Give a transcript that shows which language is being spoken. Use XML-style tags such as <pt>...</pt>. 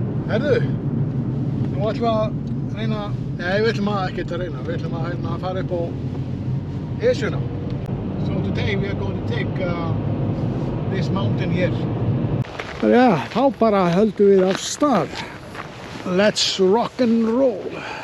<is>Herðu, nú ætlum við að reyna, nei, við ætlum að ekki að reyna, við ætlum að fara upp á Esjuna.</is> <en>So today we are going to take this mountain here.</en> <is>Já, þá bara höldum við af stað.</is> <en>Let's rock and roll.</en>